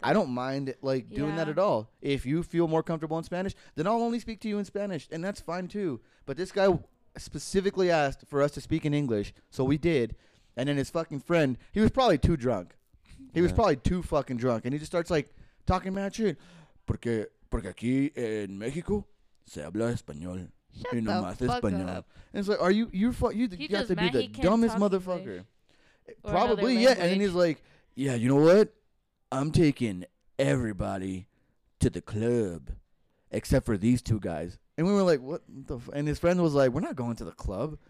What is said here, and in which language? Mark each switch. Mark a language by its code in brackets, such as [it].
[en] I don't mind like doing that at all. If you feel more comfortable in Spanish, then I'll only speak to you in Spanish, and that's fine too. But this guy specifically asked for us to speak in English, so we did. And then his fucking friend, he was probably too drunk. He was probably too fucking drunk, and he just starts like talking mad shit. [es] Porque aquí en México se habla español. [en] Shut the fuck español. Up. And it's like, are you have to be the dumbest motherfucker. Probably, and then he's like, yeah, you know what? I'm taking everybody to the club except for these two guys. And we were like, what the f-? And his friend was like, we're not going to the club.